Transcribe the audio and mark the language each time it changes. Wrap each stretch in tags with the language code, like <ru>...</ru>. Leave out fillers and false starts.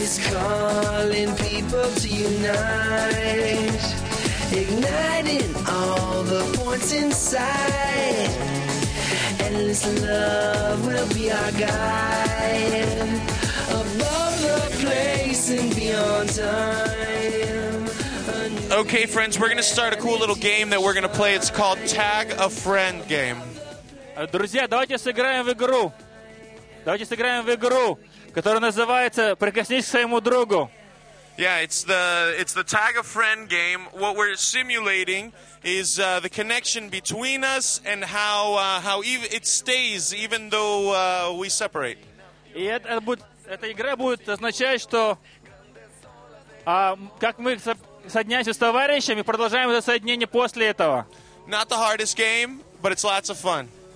<en>Calling people to unite, igniting all the points inside. Endless love will be our guide, above the place and beyond time. Okay, friends, we're going to start a cool little game that we're going to play. It's called Tag a Friend Game.</en> <ru>Друзья, давайте сыграем в игру. Давайте сыграем в игру, которая называется «Прикоснись к своему другу».</ru> <en>Yeah, it's the tag a friend game. What we're simulating is the connection between us and how it stays even though we separate.</en> <ru>И эта игра будет означать, что как мы соединяемся с товарищем и продолжаем это соединение после этого.</ru> <en>Not the hardest game, but it's lots of fun.</en>